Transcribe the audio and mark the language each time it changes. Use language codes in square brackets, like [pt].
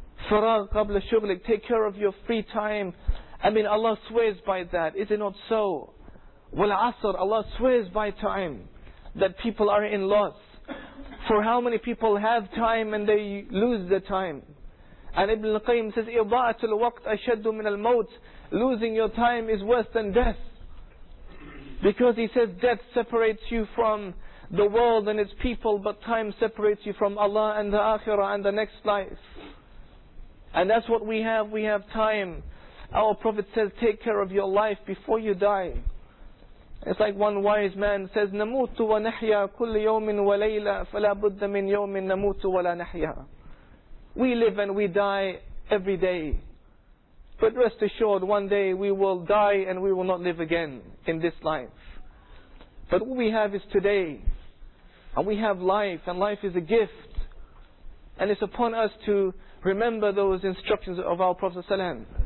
[ar] Faragh qabla shughlik, [en] take care of your free time. I mean, Allah swears by that. Is it not so? [ar] Wal asr, [en] Allah swears by time. That people are in loss. For how many people have time and they lose the time? And Ibn Qayyim says, [ar] إِضَاعَةُ الْوَقْتِ أَشَدُّ مِنَ الْمَوْتِ. [en] Losing your time is worse than death. Because he says, death separates you from the world and its people, but time separates you from Allah and the Akhirah and the next life. And that's what we have. We have time. Our Prophet says, take care of your life before you die. It's like one wise man says, [ar] نَمُوتُ وَنَحْيَا كُلِّ يَوْمٍ وَلَيْلًا فَلَا بُدَّ مِنْ يَوْمٍ نَمُوتُ وَلَا نَحْيَا. [en] We live and we die every day. But rest assured, one day we will die and we will not live again in this life. But what we have is today. And we have life, and life is a gift. And it's upon us to remember those instructions of our Prophet ﷺ.